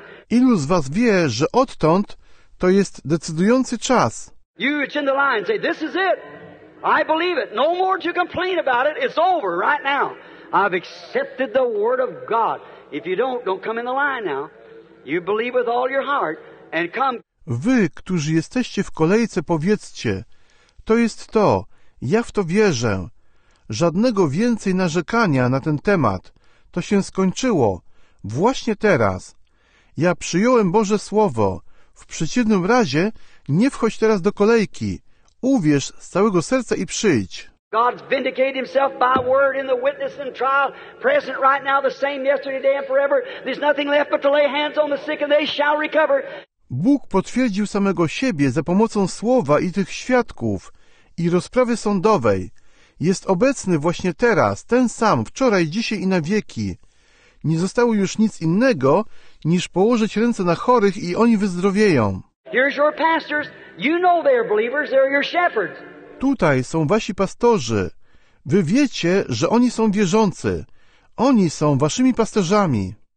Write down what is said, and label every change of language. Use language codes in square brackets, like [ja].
[pl] Ilu z was wie, że odtąd to jest decydujący czas? [en] You in the line say, this is it. I believe it. No more to complain about it. It's over right now. I've accepted the word of God. If you don't come in the line now. You believe with all your heart and come. [pl] Wy, którzy jesteście w kolejce, powiedzcie, to jest to, ja w to wierzę. Żadnego więcej narzekania na ten temat. To się skończyło. Właśnie teraz. Ja przyjąłem Boże Słowo. W przeciwnym razie nie wchodź teraz do kolejki. Uwierz z całego serca i przyjdź. [en] God's vindicated himself by word in the witness and trial, present right now, the same yesterday, today and forever. There's nothing left but to lay hands on the sick and they shall recover. [pl] Bóg potwierdził samego siebie za pomocą słowa i tych świadków i rozprawy sądowej. Jest obecny właśnie teraz, ten sam, wczoraj, dzisiaj i na wieki. Nie zostało już nic innego, niż położyć ręce na chorych i oni wyzdrowieją. [en] Here's your pastors. You know they're believers, they're your shepherds. [pl] Tutaj są wasi pastorzy. Wy wiecie, że oni są wierzący. Oni są waszymi pasterzami.